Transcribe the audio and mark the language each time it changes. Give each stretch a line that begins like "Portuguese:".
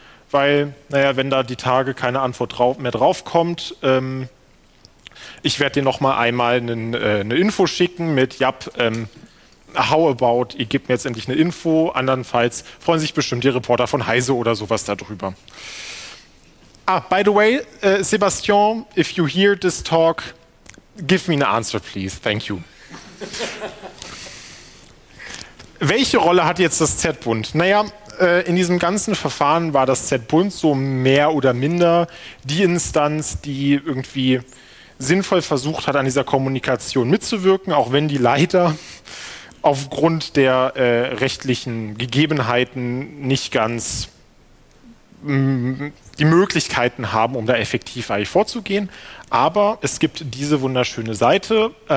German: Weil, wenn da die Tage keine Antwort mehr draufkommt, ich werde dir nochmal einmal eine Info schicken mit:
English: how about,
German: ihr gebt mir jetzt endlich eine Info, andernfalls freuen sich bestimmt die Reporter von Heise oder sowas darüber.
English: Ah, by the way, Sebastian, if you hear this talk, give me an answer, please. Thank you.
German: Welche Rolle hat jetzt das Z-Bund? In diesem ganzen Verfahren war das Z-Bund so mehr oder minder die Instanz, die irgendwie sinnvoll versucht hat, an dieser Kommunikation mitzuwirken, auch wenn die leider aufgrund der rechtlichen Gegebenheiten nicht ganz die Möglichkeiten haben, um da effektiv eigentlich vorzugehen. Aber es gibt diese wunderschöne Seite,